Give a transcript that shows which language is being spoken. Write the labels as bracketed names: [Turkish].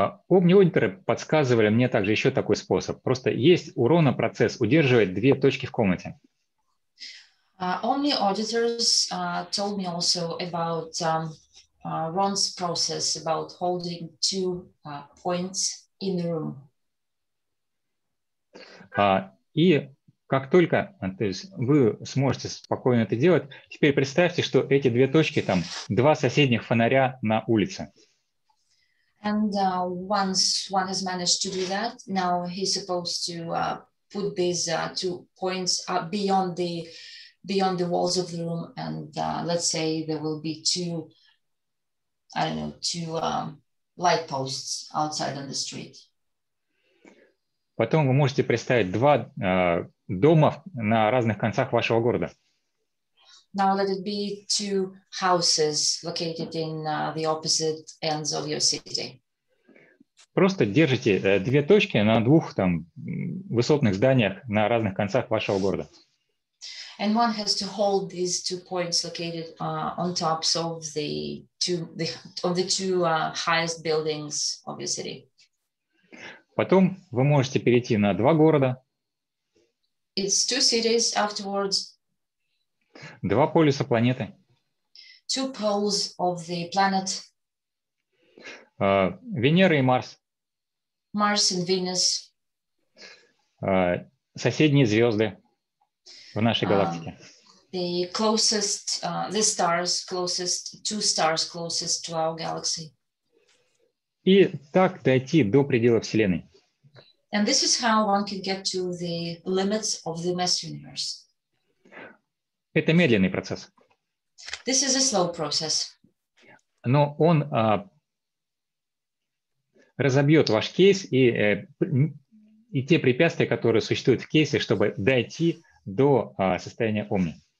[Russian] Омни-аудиторы подсказывали мне также еще такой способ. Просто есть урон на процесс удерживать две точки в комнате. [English] Omni-auditors told me also about Ron's process about holding two points in the room. [Russian] И как только, то есть вы сможете спокойно это делать, теперь представьте, что эти две точки там два соседних фонаря на улице. [English] And once one has managed to do that, now he's supposed to put these two points beyond the walls of the room, and let's say there will be two light posts outside on the street. [Russian] Потом вы можете представить два дома на разных концах вашего города. [English] Now let it be two houses located in the opposite ends of your city. [Russian] Просто держите две точки на двух там высотных зданиях на разных концах вашего города. [English] And one has to hold these two points located on tops of the two highest buildings of your city. [Russian] Потом вы можете перейти на два города. [English] It's two cities afterwards. [Russian] Два полюса планеты. [English] Two poles of the planet. [Russian] Венера и Марс. [English] Mars and Venus. [Russian] Соседние звезды в нашей галактике. [English] The closest, the stars closest, two stars closest to our galaxy. [Russian] И так дойти до предела Вселенной. [English] And this is how one can get to the limits of the mass universe. [Russian] Это медленный процесс. [English] This is a slow process. [Russian] Но он разобьет ваш кейс и те препятствия, которые существуют в кейсе, чтобы дойти до состояния Омни.